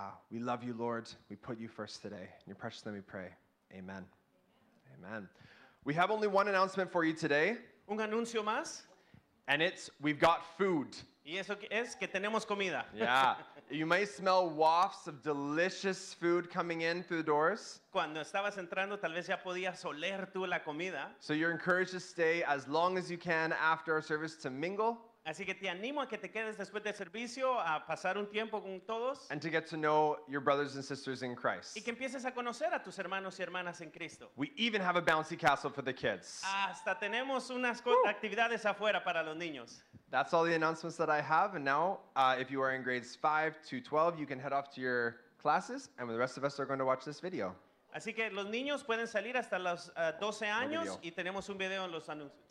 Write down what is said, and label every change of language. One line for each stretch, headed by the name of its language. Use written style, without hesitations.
English: We love you, Lord. We put you first today. In your precious name we pray. Amen. Amen. Amen. We have only one announcement for you today.
Spanish: Un anuncio más.
English: And it's, we've got food.
Spanish: Y eso es que tenemos comida.
English: Yeah. You may smell wafts of delicious food coming in through the doors.
Spanish: Cuando estabas entrando, tal vez ya podías oler tú la comida.
English: So you're encouraged to stay as long as you can after our service to mingle.
Spanish: Así que te animo a que te quedes después del servicio a pasar un tiempo con todos.
English: And to get to know your brothers and sisters in Christ.
Spanish: Y que empieces a conocer a tus hermanos y hermanas en Cristo.
English: We even have a bouncy castle for the kids.
Spanish: Hasta tenemos unas actividades afuera para los niños.
English: That's all the announcements that I have. And now, if you are in grades 5 to 12, you can head off to your classes, and the rest of us are going to watch this video.
Spanish: Así que los niños pueden salir hasta los 12 años y tenemos un video en los anuncios.